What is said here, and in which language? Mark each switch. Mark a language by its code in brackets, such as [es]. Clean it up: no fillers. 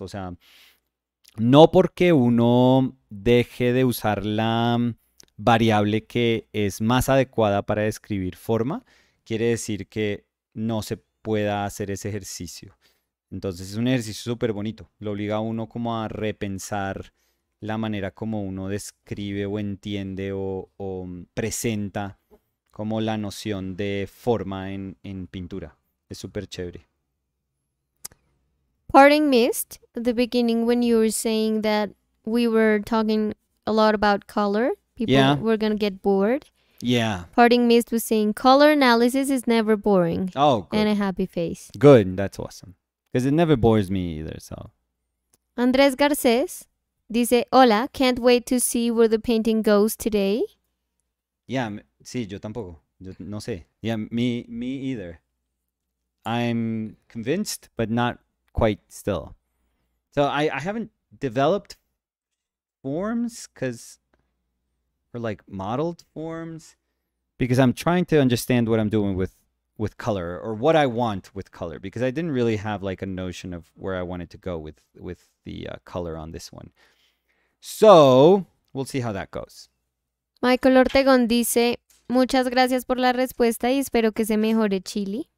[es] O sea, no porque uno deje de usar la variable que es más adecuada para describir forma, quiere decir que no se pueda hacer ese ejercicio. Entonces es un ejercicio súper bonito. Lo obliga a uno como a repensar la manera como uno describe o entiende o presenta como la noción de forma en pintura. Es súper chévere. [en] Parting Mist, at the beginning when you were saying that we were talking a lot about color, people yeah. were going to get bored. Yeah. Parting Mist was saying, color analysis is never boring. Oh, good. And a happy face. Good, that's awesome. Because it never bores me either, so. Andrés Garcés. [es] Dice, hola, [en] can't wait to see where the painting goes today. Yeah, [es] sí, yo tampoco. Yo no sé. [en] Yeah, me either. I'm convinced, but not quite still. So I haven't developed forms because, or like modeled forms, because I'm trying to understand what I'm doing with color or what I want with color, because I didn't really have like a notion of where I wanted to go with the color on this one. So, we'll see how that goes. [es] Michael Ortegón dice, muchas gracias por la respuesta y espero que se mejore Chili.